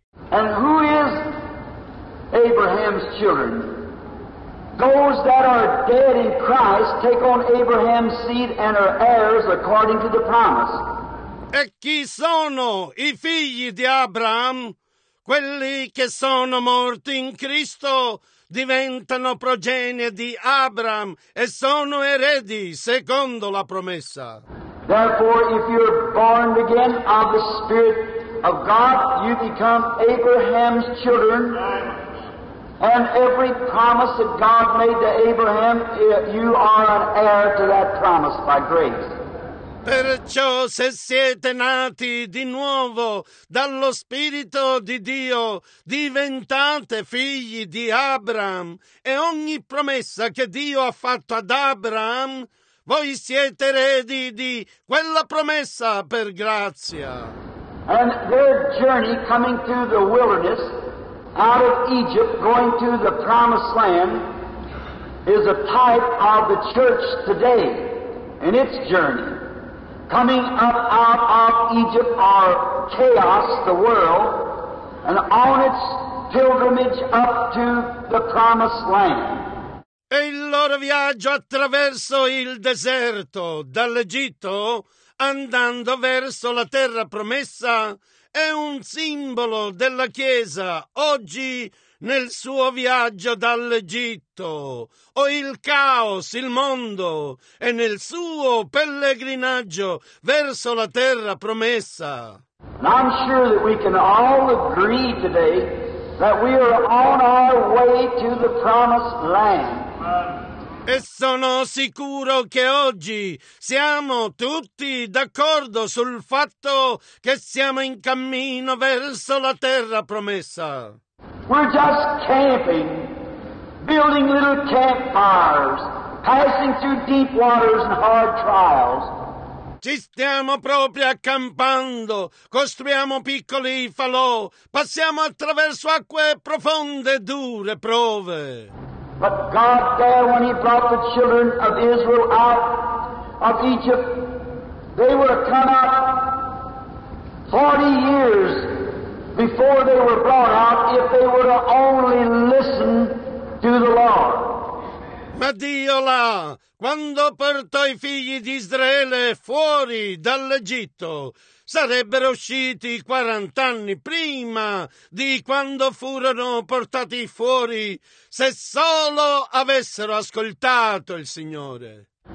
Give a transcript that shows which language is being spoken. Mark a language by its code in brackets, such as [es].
[en] And who is Abraham's children? Those that are dead in Christ take on Abraham's seed and are heirs according to the promise. [it] E chi sono i figli di Abraham? Quelli che sono morti in Cristo diventano progenie di Abraham e sono eredi secondo la promessa. [en] Therefore, if you're born again of the Spirit of God, you become Abraham's children. And every promise that God made to Abraham, you are an heir to that promise by grace. [it] Perciò se siete nati di nuovo dallo Spirito di Dio, diventate figli di Abraham. E ogni promessa che Dio ha fatto ad Abraham, voi siete eredi di quella promessa per grazia. [en] And their journey coming through the wilderness, out of Egypt, going to the promised land, is a type of the church today in its journey. Coming up out of Egypt are chaos, the world, and on its pilgrimage up to the promised land. [it] E il loro viaggio attraverso il deserto dall'Egitto, andando verso la terra promessa, è un simbolo della Chiesa oggi nel suo viaggio dall'Egitto, o il caos, il mondo, e nel suo pellegrinaggio verso la terra promessa. [en] And I'm sure that we can all agree today that we are on our way to the promised land. [it] E sono sicuro che oggi siamo tutti d'accordo sul fatto che siamo in cammino verso la terra promessa. [en] We're just camping, building little campfires, passing through deep waters and hard trials. [it] Ci stiamo proprio accampando, costruiamo piccoli falò, passiamo attraverso acque profonde e dure prove. [en] But God there, when he brought the children of Israel out of Egypt, they were come out 40 years before they were brought out if they would have only listened to the Lord. [it] Ma Dio là, quando portò i figli di Israele fuori dall'Egitto, sarebbero usciti 40 anni prima di quando furono portati fuori, se solo avessero ascoltato il Signore.